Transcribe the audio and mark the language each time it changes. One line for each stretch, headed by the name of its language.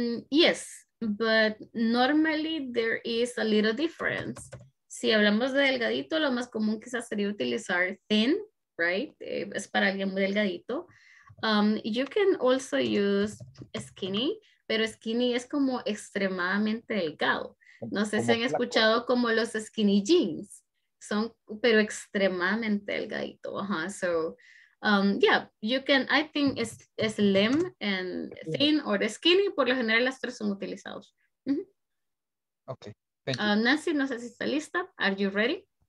English: Yes, but normally there is a little difference.
Spanish: Si hablamos de delgadito, lo más común quizás sería utilizar thin,
English: right?
Spanish: Es para alguien muy delgadito.
English: You can also use skinny,
Spanish: pero skinny es como extremadamente delgado. No sé si han escuchado como los skinny jeans. Son, pero extremadamente delgadito. Ajá, so...
English: yeah, you can, I think it's slim and thin or skinny.
Spanish: Por lo general, las tres son utilizados. Mm-hmm.
English: Okay, thank you.
Spanish: Nancy, no sé si está lista.
English: Are you ready?